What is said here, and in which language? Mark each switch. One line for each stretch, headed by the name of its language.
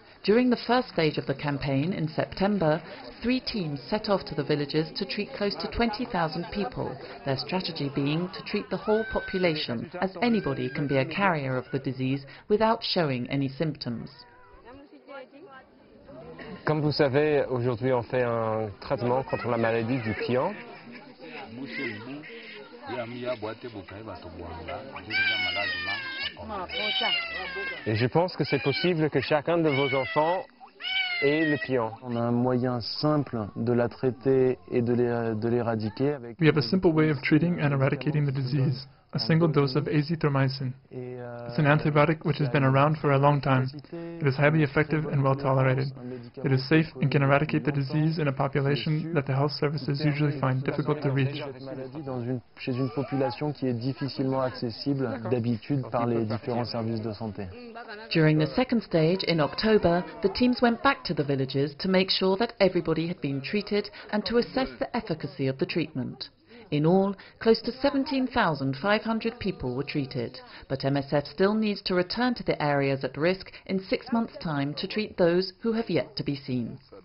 English: During the first stage of the campaign, in September, three teams set off to the villages to treat close to 20,000 people, their strategy being to treat the whole population, as anybody can be a carrier of the disease without showing any symptoms.
French: Comme vous savez, aujourd'hui on fait un traitement contre la maladie du pion. Et je pense que c'est possible que chacun de vos enfants ait le pion. On a un moyen simple de la traiter et de l'éradiquer.
English: We have a simple way of treating and eradicating the disease. A single dose of azithromycin. It's an antibiotic which has been around for a long time. It is highly effective and well tolerated. It is safe and can eradicate the disease in a population that the health services usually find difficult to reach.
French: Chez une population qui est difficilement accessible d'habitude par les différents services de santé.
English: During the second stage in October, the teams went back to the villages to make sure that everybody had been treated and to assess the efficacy of the treatment. In all, close to 17,500 people were treated, but MSF still needs to return to the areas at risk in 6 months' time to treat those who have yet to be seen.